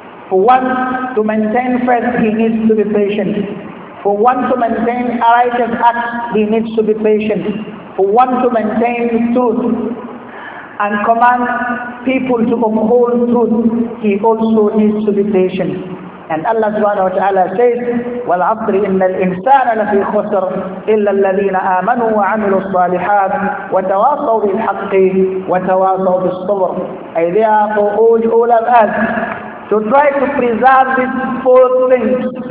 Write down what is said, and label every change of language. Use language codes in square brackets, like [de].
[en] For one to maintain faith, he needs to be patient. For one to maintain a righteous act, he needs to be patient. For one to maintain truth and command people to uphold truth, he also needs to be patient. And Allah subhanahu wa ta'ala says, [ar] والعصر إن الإنسان لفي خسر إلا الذين آمنوا وعملوا الصالحات وتواصوا بالحق وتواصوا بالصبر. [en] أي therefore urge all of us to try to preserve these four things.